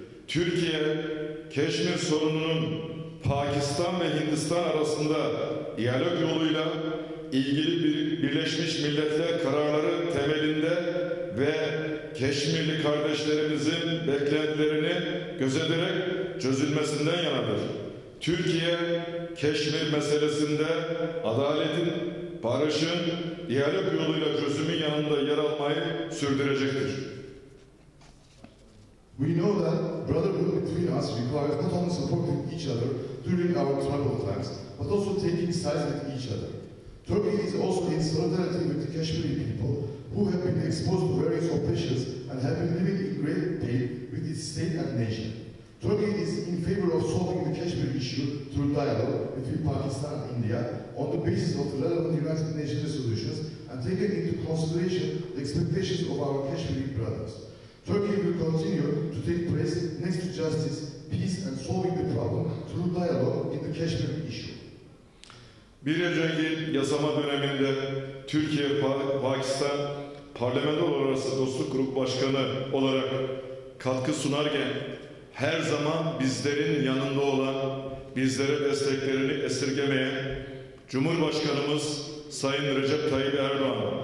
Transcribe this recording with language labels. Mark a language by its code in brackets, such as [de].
[tr] Türkiye, Keşmir sorununun Pakistan ve Hindistan arasında diyalog yoluyla ilgili Birleşmiş Milletler kararları temelinde ve Keşmirli kardeşlerimizin beklentilerini gözeterek çözülmesinden yanadır. Türkiye, Keşmir meselesinde adaletin, barışın, diyalog yoluyla çözümün yanında yer almayı sürdürecektir. [en] We know that brotherhood between us requires not only supporting each other during our troubled times, but also taking sides with each other. Turkey is also in solidarity with the Kashmiri people who have been exposed to various oppressions and have been living in great pain with its state and nation. Turkey is in favor of solving the Kashmir issue through dialogue between Pakistan and India on the basis of the relevant United Nations resolutions and taking into consideration the expectations of our Kashmiri brothers. Turkey will continue to take place next to justice, peace and solving the problem through dialogue in the Kashmir issue. [tr] 1 Ocak'ın yasama döneminde Türkiye Pakistan Parlamento Arası Dostluk Grup Başkanı olarak katkı sunarken her zaman bizlerin yanında olan, bizlere desteklerini esirgemeyen Cumhurbaşkanımız Sayın Recep Tayyip Erdoğan,